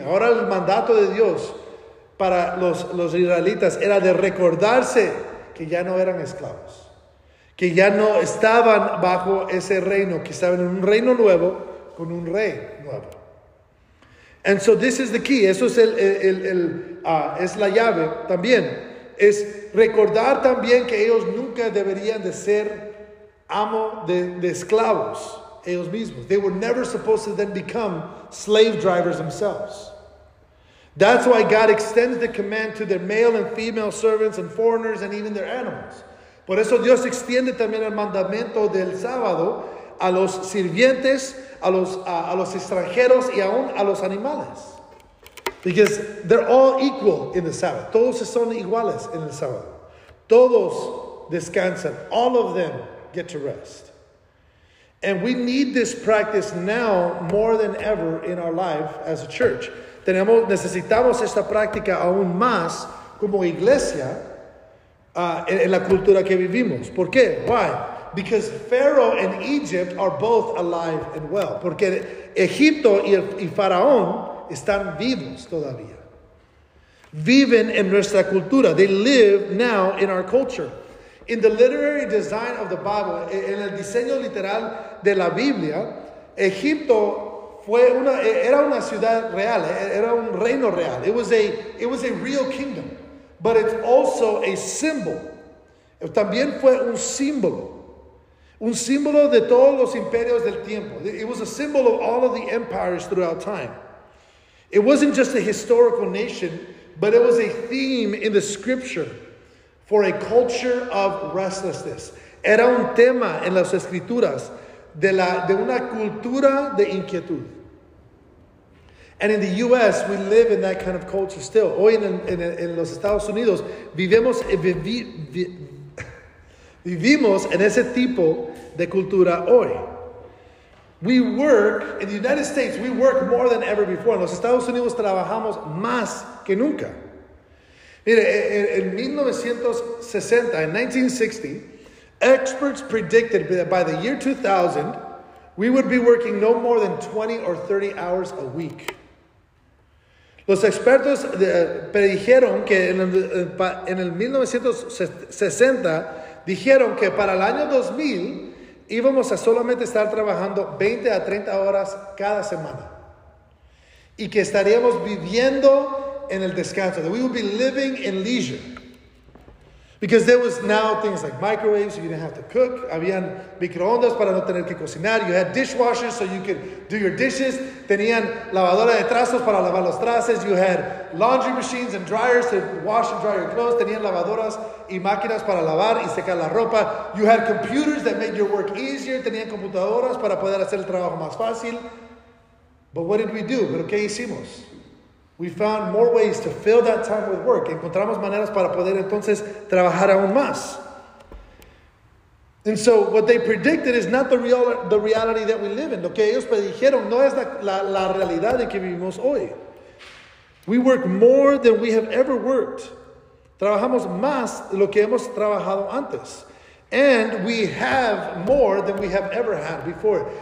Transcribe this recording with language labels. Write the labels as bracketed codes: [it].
[es] Ahora el mandato de Dios para los israelitas era de recordarse que ya no eran esclavos. Que ya no estaban bajo ese reino, que estaban en un reino nuevo con un rey nuevo. [en] And so this is the key. [es] Eso es es la llave también. Es recordar también que ellos nunca deberían de ser amo de esclavos, ellos mismos. [en] They were never supposed to then become slave drivers themselves. That's why God extends the command to their male and female servants and foreigners and even their animals. [es] Por eso Dios extiende también el mandamiento del sábado a los sirvientes, a los extranjeros y aún a los animales. [en] Because they're all equal in the Sabbath. [es] Todos son iguales en el sábado. Todos descansan. [en] All of them get to rest. And we need this practice now more than ever in our life as a church. [es] Necesitamos esta práctica aún más como iglesia en la cultura que vivimos. ¿Por qué? [en] Why? Because Pharaoh and Egypt are both alive and well. [es] Porque Egipto y Faraón están vivos todavía. Viven en nuestra cultura. [en] They live now in our culture. In the literary design of the Bible, [es] en el diseño literal de la Biblia, Egipto era una ciudad real, era un reino real. [en] It was a real kingdom, but it's also a symbol. [es] También fue un símbolo de todos los imperios del tiempo. [en] It was a symbol of all of the empires throughout time. It wasn't just a historical nation, but it was a theme in the scripture. For a culture of restlessness. [es] Era un tema en las escrituras de una cultura de inquietud. [en] And in the U.S., we live in that kind of culture still. [es] Hoy en los Estados Unidos vivimos en ese tipo de cultura hoy. [en] We work, in the United States, we work more than ever before. [es] En los Estados Unidos trabajamos más que nunca. [en] Mire, en 1960, experts predicted that by the year 2000, we would be working no more than 20 or 30 hours a week. [es] Los expertos predijeron que en el 1960, dijeron que para el año 2000, íbamos a solamente estar trabajando 20 a 30 horas cada semana. Y que estaríamos viviendo en el descanso, [en] that we would be living in leisure. Because there was now things like microwaves, so you didn't have to cook. [es] Habían microondas para no tener que cocinar. [en] You had dishwashers so you could do your dishes. [es] Tenían lavadora de trastos para lavar los trastes. [en] You had laundry machines and dryers to wash and dry your clothes. [es] Tenían lavadoras y máquinas para lavar y secar la ropa. [en] You had computers that made your work easier. [es] Tenían computadoras para poder hacer el trabajo más fácil. [en] But what did we do? [es] ¿Pero qué hicimos? [en] We found more ways to fill that time with work. [es] Encontramos maneras para poder entonces trabajar aún más. [en] And so what they predicted is not the reality that we live in. [es] Lo que ellos predijeron no es la realidad en que vivimos hoy. [en] We work more than we have ever worked. [es] Trabajamos más de lo que hemos trabajado antes. [en] And we have more than we have ever had before.